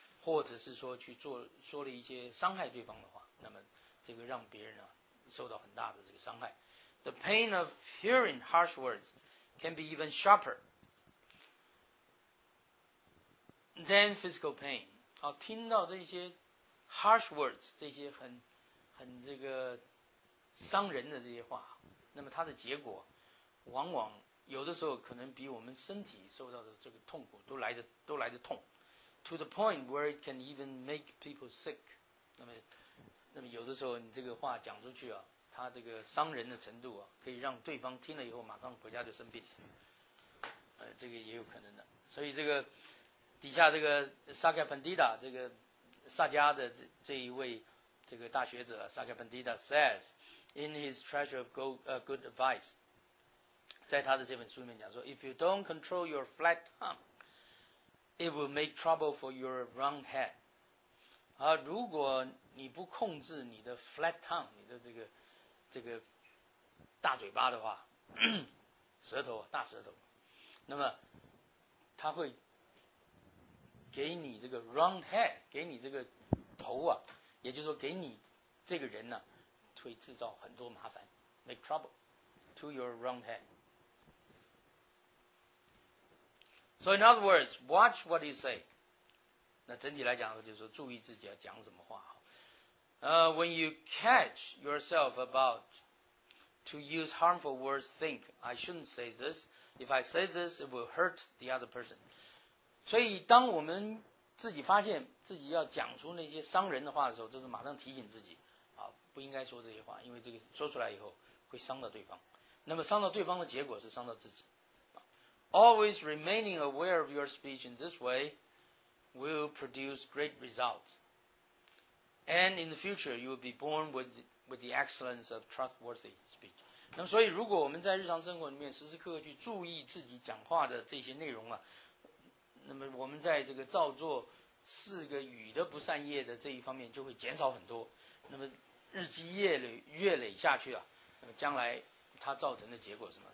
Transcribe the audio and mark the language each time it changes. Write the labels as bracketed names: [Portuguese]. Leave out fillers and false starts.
[Chinese] 或者是说去做说了一些伤害对方的话，那么这个让别人呢受到很大的这个伤害。 [English] The pain of hearing harsh words can be even sharper than physical pain. [Chinese] 啊，听到这些 [English] harsh words [Chinese] 这些很这个伤人的这些话，那么它的结果往往有的时候可能比我们身体受到的这个痛苦都来得痛。 [English] To the point where it can even make people sick. [Chinese] 那么有的时候你这个话讲出去啊，它这个伤人的程度啊，可以让对方听了以后马上回家就生病。这个也有可能的。所以这个底下这个萨迦潘迪达，这个萨迦的这一位这个大学者萨迦潘迪达 [English] says in his treasure of good advice， [Chinese] 在他的这本书里面讲说 ， [English] If you don't control your flat tongue。 It will make trouble for your round head. [Chinese] 啊，如果你不控制你的 [English] flat tongue， [Chinese] 你的这个大嘴巴的话，舌头大舌头，那么它会给你这个 [English] round head， [Chinese] 给你这个头啊，也就是说给你这个人呢、啊，会制造很多麻烦 ， [English] make trouble to your round head. So in other words, watch what you say. [Chinese] 那整体来讲就是说注意自己要讲什么话。 [English] When you catch yourself about to use harmful words, think, I shouldn't say this. If I say this, it will hurt the other person. [Chinese] 所以当我们自己发现自己要讲出那些伤人的话的时候，就是马上提醒自己啊，不应该说这些话，因为这个说出来以后会伤到对方。那么伤到对方的结果是伤到自己。 [English] Always remaining aware of your speech in this way will produce great results. And in the future, you will be born with the excellence of trustworthy speech. [Chinese] 那么所以如果我们在日常生活里面时时刻刻去注意自己讲话的这些内容啊，那么我们在这个造作四个语的不善业的这一方面就会减少很多。那么日积月累下去啊，那么将来它造成的结果是什么？